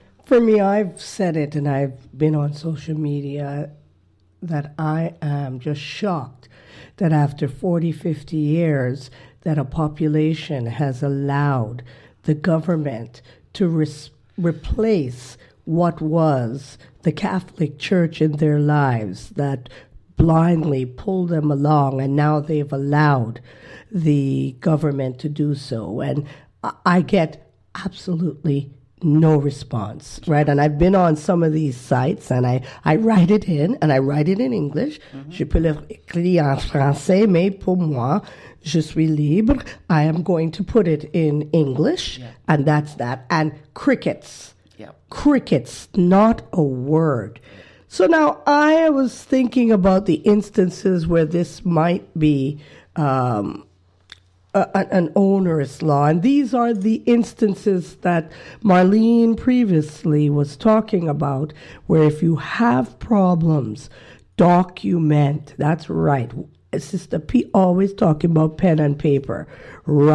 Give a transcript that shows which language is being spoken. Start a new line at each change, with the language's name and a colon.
English: For me, I've said it and I've been on social media that I am just shocked that after 40, 50 years that a population has allowed the government to replace what was the Catholic Church in their lives, that blindly pull them along, and now they've allowed the government to do so. And I get absolutely no response, right? And I've been on some of these sites, and I write it in, and I write it in English.
French: Je peux l'écrire en français, mais pour moi, je suis libre.
English: I am going to put it in English, and that's that. And crickets, crickets, not a word. So now I was thinking about the instances where this might be an onerous law. And these are the instances that Marlene previously was talking about, where if you have problems, document. That's right. Sister P always talking about pen and paper. Write.